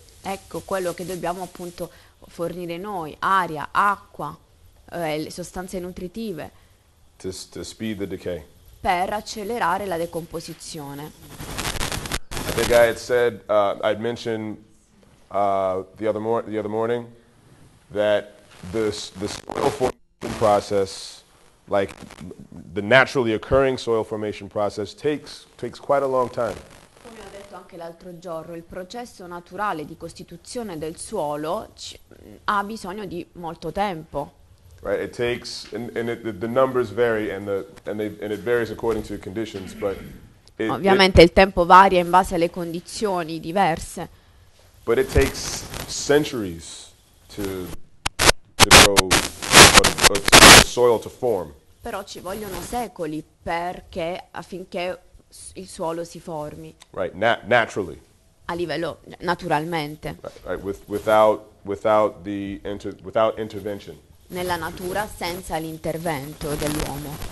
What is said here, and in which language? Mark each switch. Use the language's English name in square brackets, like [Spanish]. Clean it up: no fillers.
[Italian] Ecco quello che dobbiamo appunto fornire noi: aria, acqua, le sostanze nutritive. [English] To speed the decay. [Italian] Per accelerare la decomposizione. [English] I think I had said, I'd mentioned the other morning, that the soil formation process, like the naturally occurring soil formation process, takes quite a long time. [Italian] Come ho detto anche l'altro giorno, il processo naturale di costituzione del suolo ha bisogno di molto tempo. [English] Right, it takes, and the numbers vary, and it varies according to the conditions, but [Italian] ovviamente il tempo varia in base alle condizioni diverse. [English] But it takes centuries to grow, for the soil to form. [Italian] Però ci vogliono secoli perché affinché il suolo si formi. [English] Right, naturally. [Italian] A livello naturalmente. [English] Right, without intervention. [Italian] Nella natura senza l'intervento dell'uomo.